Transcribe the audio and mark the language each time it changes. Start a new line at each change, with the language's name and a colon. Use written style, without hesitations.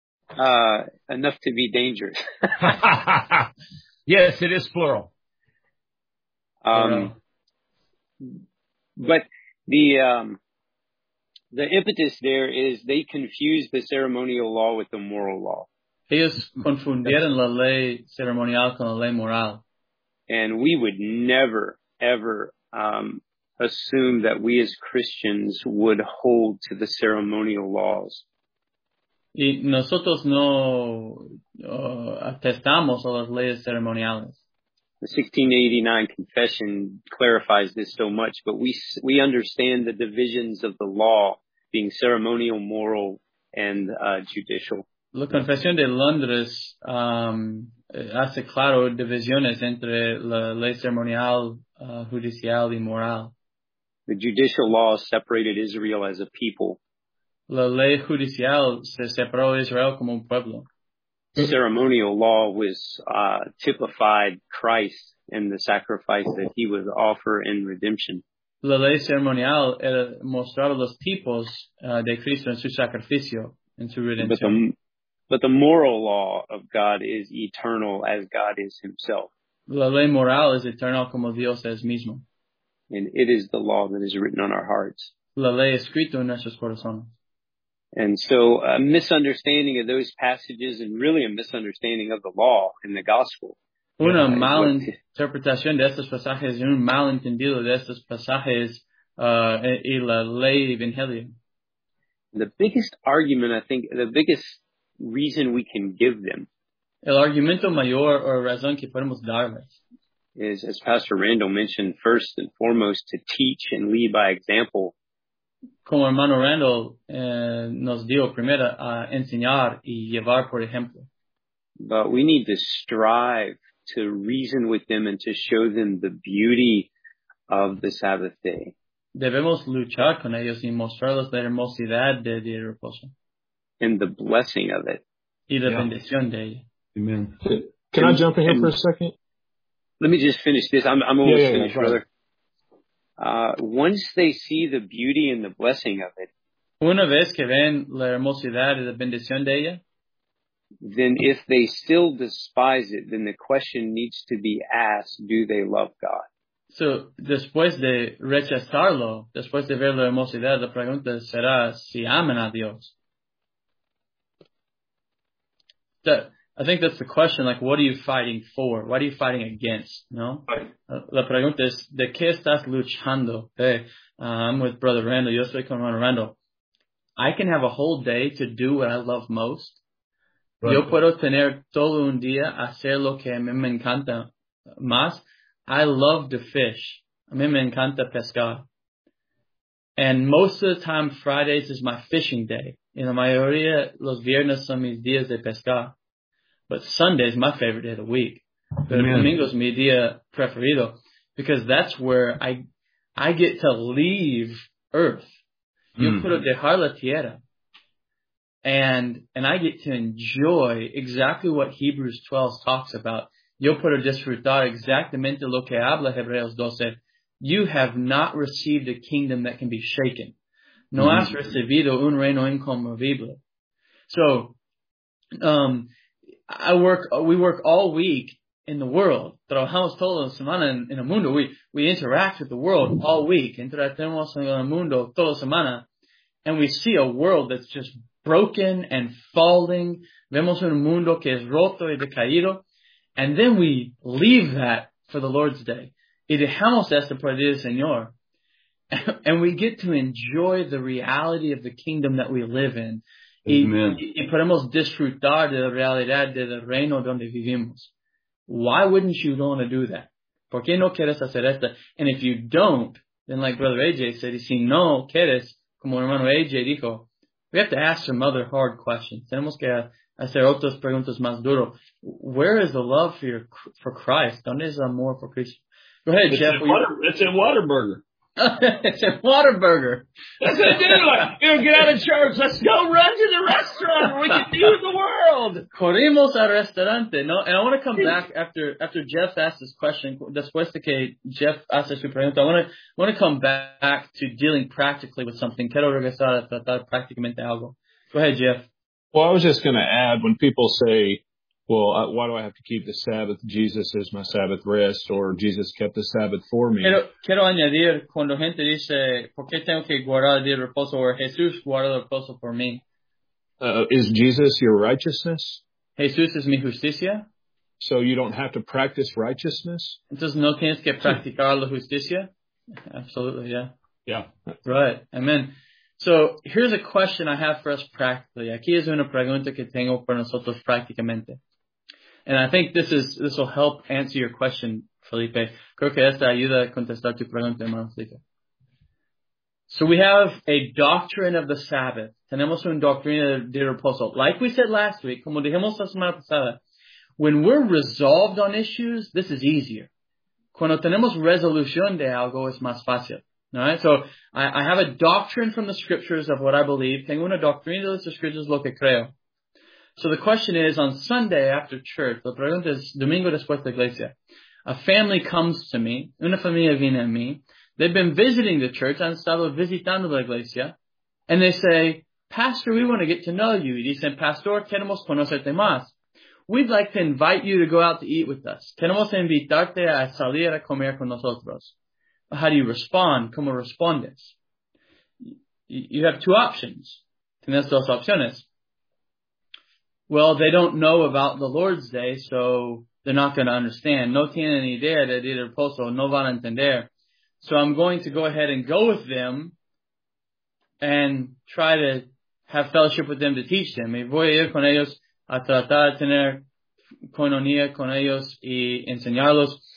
English: Enough to be dangerous. Yes, it is plural. But the impetus there is they confuse the ceremonial law with the moral law.
Spanish: Ellos confundieron la ley ceremonial con la ley moral.
English: And we would never, ever assume that we as Christians would hold to the ceremonial laws.
Spanish: Y nosotros no atestamos a las leyes ceremoniales.
English: The 1689 Confession clarifies this so much, but we understand the divisions of the law being ceremonial, moral, and judicial.
Spanish: La Confesión de Londres hace claro divisiones entre la ley ceremonial, judicial, y moral.
English: The judicial law separated Israel as a people.
Spanish: La ley judicial se separó Israel como un pueblo.
English: Ceremonial law was typified Christ and the sacrifice that he would offer in redemption.
Spanish: La ley ceremonial era mostraba los tipos de Cristo en su sacrificio, en su redención.
English: But the moral law of God is eternal as God is himself.
Spanish: La ley moral es eternal como Dios es mismo.
English: And it is the law that is written on our hearts.
Spanish: La ley escrito en nuestros corazones.
English: And so a misunderstanding of those passages and really a misunderstanding of the law in the gospel.
Spanish: Una mala interpretación de estos pasajes y un mal entendido de estos pasajes y la ley evangelia.
English: The biggest argument, I think, the biggest reason we can give them.
Spanish: El argumento mayor o razón que podemos darles.
English: Is, as Pastor Randall mentioned, first and foremost, to teach and lead by example.
Spanish: Como hermano Randall nos dio primero a enseñar y llevar por ejemplo.
English: But we need to strive to reason with them and to show them the beauty of the Sabbath day.
Spanish: Debemos luchar con ellos y mostrarles la hermosidad del día de reposo.
English: And the blessing of it.
Spanish: Y la bendición de ella.
English: Amen. Can I jump ahead for a second? Let me just finish this. I'm almost finished, brother. Once they see the beauty and the blessing of it,
Spanish: Una vez que ven la hermosidad y la bendición de ella,
English: then if they still despise it, then the question needs to be asked, do they love God?
Spanish: So, después de rechazarlo, después de ver la hermosidad, la pregunta será si aman a Dios.
English: I think that's the question, like, what are you fighting for? What are you fighting against, no? Right.
Spanish: La pregunta es, ¿de qué estás luchando?
English: Hey, I'm with Brother Randall.
Spanish: Yo soy con Brother Randall.
English: I can have a whole day to do what I love most. Right.
Spanish: Yo puedo tener todo un día hacer lo que a mí me encanta más.
English: I love to fish.
Spanish: A mí me encanta pescar.
English: And most of the time, Fridays is my fishing day.
Spanish: En la mayoría, los viernes son mis días de pescar.
English: But Sunday is my favorite day of the week.
Spanish: But domingo es mi día preferido.
English: Because that's where I get to leave Earth.
Spanish: Yo puedo dejar la tierra.
English: And I get to enjoy exactly what Hebrews 12 talks about.
Spanish: Yo puedo disfrutar exactamente lo que habla Hebreos 12.
English: You have not received a kingdom that can be shaken.
Spanish: No has recibido un reino inconmovible.
English: So, we work all week in the world.
Spanish: Trabajamos toda la semana en el mundo.
English: We interact with the world all week.
Spanish: Interactamos en el mundo toda la semana.
English: And we see a world that's just broken and falling.
Spanish: Vemos un mundo que es roto y decaído.
English: And then we leave that for the Lord's Day.
Spanish: Y dejamos esto para el Señor.
English: And we get to enjoy the reality of the kingdom that we live in. Amen.
Spanish: Y podemos disfrutar de la realidad del reino donde vivimos.
English: Why wouldn't you want to do that?
Spanish: ¿Por qué no quieres hacer esto?
English: And if you don't, then like Brother AJ said,
Spanish: si no quieres, como hermano AJ dijo,
English: we have to ask some other hard questions.
Spanish: Tenemos que hacer otras preguntas más duras.
English: Where is the love for Christ?
Spanish: ¿Dónde es el amor por Cristo?
English: Go ahead, it's Jeff. It's in Whataburger. It's in Whataburger. That's a dinner. You get out of charge. Let's go run to the restaurant. We can view the world.
Spanish: Corrimos al restaurante.
English: No, and I want to come back after Jeff asked this question.
Spanish: Después de que Jeff asked su pregunta,
English: I want to come back to dealing practically with something.
Spanish: Quiero regresar a tratar prácticamente algo.
English: Go ahead, Jeff. Well, I was just going to add, when people say, well, why do I have to keep the Sabbath? Jesus is my Sabbath rest, or Jesus kept the Sabbath for me.
Spanish: Quiero añadir, cuando gente dice, ¿por qué tengo que guardar el día de reposo? Or Jesús guarda el reposo por mí.
English: Is Jesus your righteousness?
Spanish: Jesús es mi justicia.
English: So you don't have to practice righteousness?
Spanish: Entonces no tienes que practicar la justicia?
English: Absolutely, yeah. Yeah. Right. Amen. So here's a question I have for us practically.
Spanish: Aquí es una pregunta que tengo para nosotros prácticamente.
English: And I think this will help answer your question, Felipe.
Spanish: Creo que esta ayuda a contestar tu pregunta, hermano Felipe.
English: So we have a doctrine of the Sabbath.
Spanish: Tenemos una doctrina de reposo.
English: Like we said last week,
Spanish: como dijimos la semana pasada,
English: when we're resolved on issues, this is easier.
Spanish: Cuando tenemos resolución de algo, es más fácil.
English: All right, so I have a doctrine from the scriptures of what I believe.
Spanish: Tengo una doctrina de las escrituras lo que creo.
English: So the question is, on Sunday after church,
Spanish: la pregunta es, domingo después de iglesia,
English: a family comes to me,
Spanish: una familia viene a mí,
English: they've been visiting the church,
Spanish: han estado visitando la iglesia,
English: and they say, Pastor, we want to get to know you.
Spanish: Y dicen, Pastor, queremos conocerte más.
English: We'd like to invite you to go out to eat with us.
Spanish: Queremos invitarte a salir a comer con nosotros.
English: How do you respond?
Spanish: ¿Cómo respondes?
English: You have two options.
Spanish: Tienes dos opciones.
English: Well, they don't know about the Lord's Day, so they're not going to understand.
Spanish: No tienen idea de día de reposo. No van a entender.
English: So I'm going to go ahead and go with them and try to have fellowship with them to teach them.
Spanish: Y voy a ir con ellos a tratar de tener coinonía con ellos y enseñarlos.